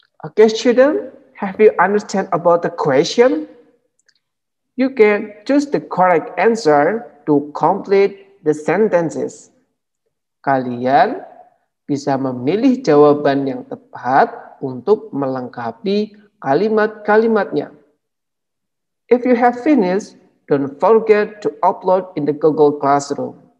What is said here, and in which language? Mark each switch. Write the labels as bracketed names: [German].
[English] Okay, student, have you understand about the question? You can choose the correct answer to complete the sentences. [Indonesian] Kalian bisa memilih jawaban yang tepat untuk melengkapi kalimat-kalimatnya. [English] If you have finished, don't forget to upload in the Google Classroom.